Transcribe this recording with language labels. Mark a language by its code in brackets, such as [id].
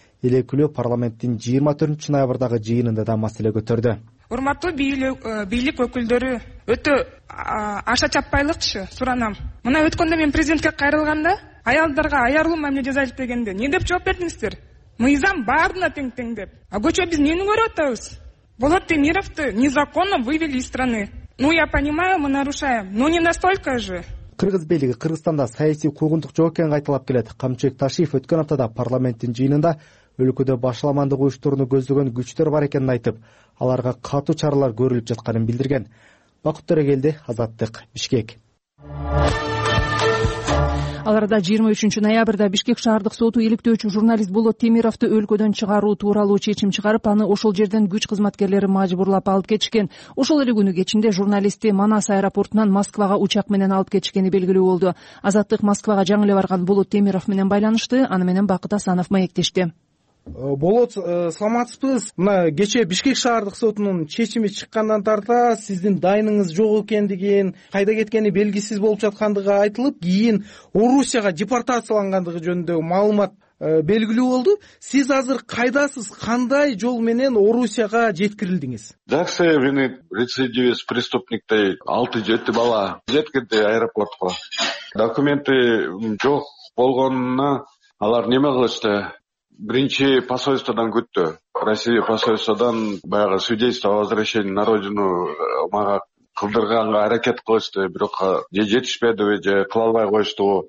[ky] Эл өкүлү парламенттин 24 ноябрдагы жыйынында да маселе көтөрдү. Урматтуу бийлик өкүлдөрү, өтө аша чаппайлыкчы суранам. Мына өткөндө мен президентке кайрылганда аялдарга аярлуу мамиле жасайлы дегенде эмне деп жооп бердиңиздер? Мыйзам баардына тең деп. А көчө биз эмнени көрүп атабыз? [ru] Болот Темировду незаконно вывели из страны. Ну я понимаю, мы нарушаем, но не настолько же. [ky] Кыргыз бийлиги Кыргызстанда саясий куугунтук жок экенин кайталап келет. Камчыбек Ташиев өткөн аптада парламенттин жыйынында өлкөдө башламандык уюштурууну көздөгөн күчтөр бар экенин айтып, аларга катуу чаралар көрүлүп жатканын билдирген. Бакыттар келди, Азаттык, Бишкек. Аларда 23 ноябрда Бишкек шаардык соту иликтөөчү журналист Болот Темировду өлкөдөн чыгаруу тууралуу чечим чыгарып, аны ошол жерден күч кызматкерлери мажбурлап алып кетишкен. Ошол эле күнү кечинде журналисти Манас аэропортунан Москвага учак менен алып кетишкени белгилүү болду. Азаттык Москвага жаңы эле барган Болот Темиров менен байланышты, аны менен Бакыт Асанов маектешти. Болот, саламатсызбыз. Мына кечээ Бишкек шаардык сотунун чечими чыккандан тарта сиздин дайыныңыз жок экендигин, кайда кеткени белгисиз болуп жаткандыгы айтылып, кийин Орусияга депортациялангандыгы жөнүндө маалымат белгилүү болду. Сиз азыр кайдасыз? Кандай жол менен Орусияга жеткирилдиңиз? Дакция мени рецидивист преступниктей 6-7 бала жеткирди аэропортко. Документи жок болгонуна алар неме кылышты? Биринчи посольстводон күттү. Россия посольстводон баягы [ru] свидетельство о возвращении на родину [ky] мага кылдырганга аракет кылышты, бирок же жетишпедиби, же кыла албай коюштубу.